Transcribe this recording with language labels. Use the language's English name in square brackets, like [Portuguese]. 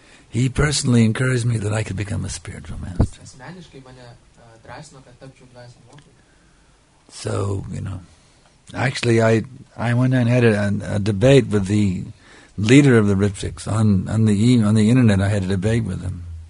[English] He personally encouraged me that I could become a spiritual master. [Lithuanian] Asmeniškai mane drąsino, kad tapčiau dvasinį mokytį. [English] So, you know, actually I went and had a debate with the leader of the Ritviks on the internet. I had a debate with him.